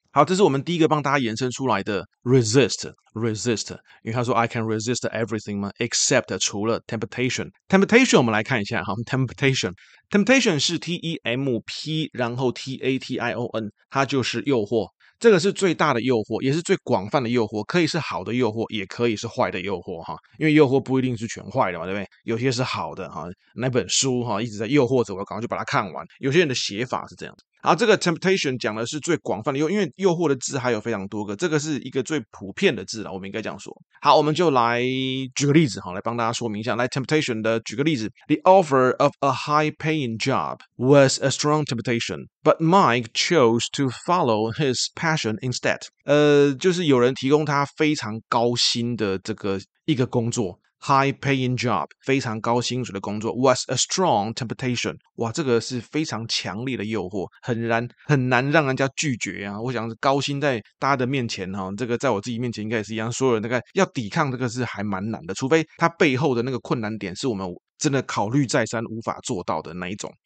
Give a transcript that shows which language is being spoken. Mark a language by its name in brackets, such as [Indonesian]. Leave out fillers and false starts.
[Chinese] 好，这是我们第一个帮大家延伸出来的 resist， 因为他说 [English] I can resist everything [Chinese] 吗 except 除了 temptation， 我们来看一下哈 temptation 是 temp 然后 tation， 它就是诱惑，这个是最大的诱惑，也是最广泛的诱惑，可以是好的诱惑，也可以是坏的诱惑哈，因为诱惑不一定是全坏的嘛，对不对？有些是好的哈，那本书哈一直在诱惑着我，赶快就把它看完。有些人的写法是这样的。好，这个 temptation 讲的是最广泛的诱惑，因为诱惑的字还有非常多个，这个是一个最普遍的字啦，我们应该这样说。好，我们就来举个例子，好，来帮大家说明一下。 [English] 来 temptation 的举个例子， The offer of a high paying job was a strong temptation, but Mike chose to follow his passion instead. [Chinese] 就是有人提供他非常高薪的这个一个工作， [English] high paying job， [Chinese] 非常高薪水的工作， [English] was a strong temptation， [Chinese] 哇，这个是非常强烈的诱惑，很难让人家拒绝啊。我想高薪在大家的面前，这个在我自己面前应该也是一样，所有人大概要抵抗这个是还蛮难的，除非他背后的那个困难点是我们真的考虑再三无法做到的那一种。